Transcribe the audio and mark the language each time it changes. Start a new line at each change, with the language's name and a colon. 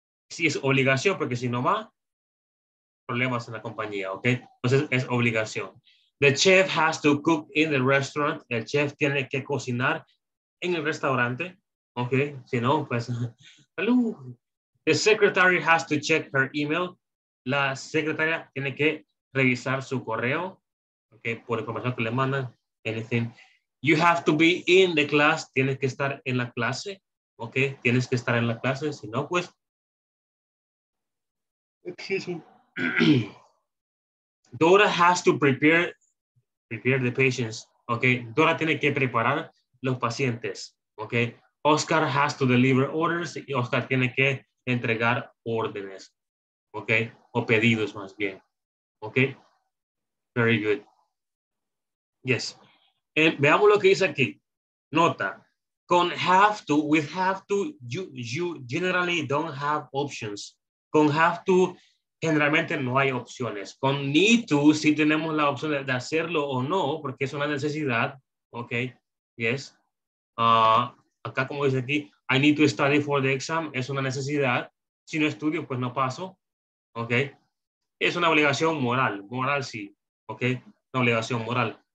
Spanish: Si es obligación, porque si no va, problemas en la compañía, ¿ok? Entonces es obligación.
English: The chef has to cook in the restaurant.
Spanish: El chef tiene que cocinar en el restaurante, ¿ok? Si no, pues,
English: ¡halo! The secretary has to check her email.
Spanish: La secretaria tiene que revisar su correo, ¿ok? Por información que le mandan,
English: anything. You have to be in the class.
Spanish: Tienes que estar en la clase, ¿ok? Tienes que estar en la clase, si no, pues,
English: Dora has to prepare the patients.
Spanish: Okay, Dora tiene que preparar los pacientes. Okay,
English: Oscar has to deliver orders.
Spanish: Y Oscar tiene que entregar órdenes. Okay, o pedidos más bien.
English: Okay, very good. Yes.
Spanish: Veamos lo que dice aquí. Nota.
English: Con have to, with have to, you generally don't have options.
Spanish: Con have to generalmente no hay opciones. Con need to sí tenemos la opción de hacerlo o no, porque es una necesidad.
English: Ok, yes.
Spanish: Acá como dice aquí,
English: I need to study for the exam.
Spanish: Es una necesidad. Si no estudio, pues no paso. Ok. Es una obligación moral. Moral sí. Ok. Una obligación moral.